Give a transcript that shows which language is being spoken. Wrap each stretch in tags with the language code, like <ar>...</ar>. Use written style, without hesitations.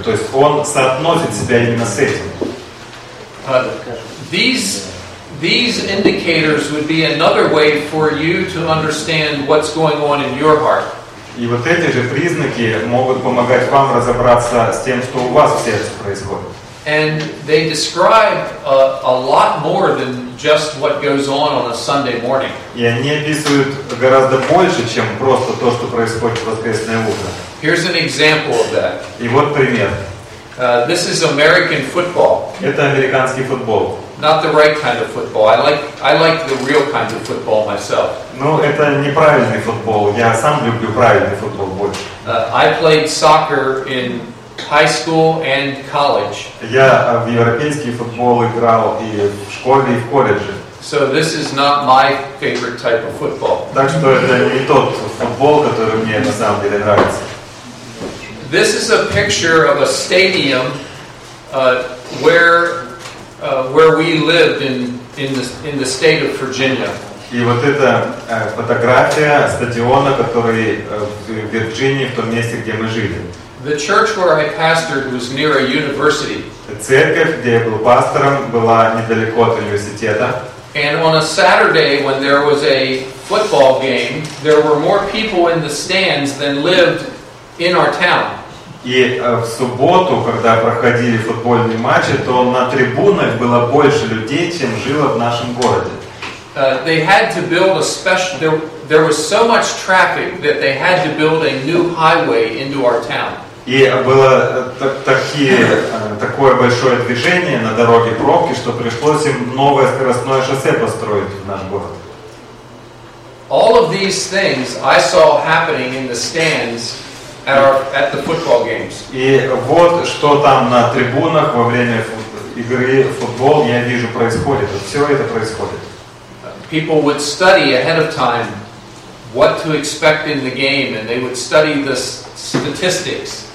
<ru>То есть он соотносит себя именно с этим.</ru> <en>These indicators would be another way for you to understand what's going on in your heart.</en> <ru>И вот эти же признаки могут помогать вам разобраться с тем, что у вас в сердце происходит.</ru> <en>And they describe a lot more than just what goes on a Sunday morning.</en> <ru>И они описывают гораздо больше, чем просто то, что происходит в воскресное утро.</ru> <en>Here's an example of that.</en> <ru>И вот пример.</ru> <en>This is American football.</en> <ru>Это американский футбол.</ru> <en>Not the right kind of football. I like the real kind of football myself.</en> <ru>Ну, это неправильный футбол. Я сам люблю правильный футбол больше.</ru> <en>I played soccer in high school and college.</en> <ru>Я в европейский футбол играл и в школе, и в колледже.</ru> <en>So this is not my favorite type of football.</en> <ru>Так что это не тот футбол, который мне на самом деле нравится.</ru> <en>This is a picture of a stadium where we lived in the state of Virginia.</en> <ru>И вот это фотография стадиона, который в Вирджинии, в том месте, где мы жили.</ru> <en>The church where I pastored was near a university.</en> <ru>Церковь, где я был пастором, была недалеко от университета.</ru> <en>And on a Saturday, when there was a football game, there were more people in the stands than lived in our town.</en> <ru>И в субботу, когда проходили футбольные матчи, то на трибунах было больше людей, чем жило в нашем городе.</ru> <en>They had to build a special. There was so much traffic that they had to build a new highway into our town.</en> <ru>И было такое большое движение на дороге пробки, что пришлось им новое скоростное шоссе построить в наш город.</ru> <en>All of these things I saw happening in the stands at the football games.</en> <ru>И вот что там на трибунах во время игры в футбол я вижу происходит. Все это происходит.</ru> <en>People would study ahead of time what to expect in the game, and they would study the statistics.</en>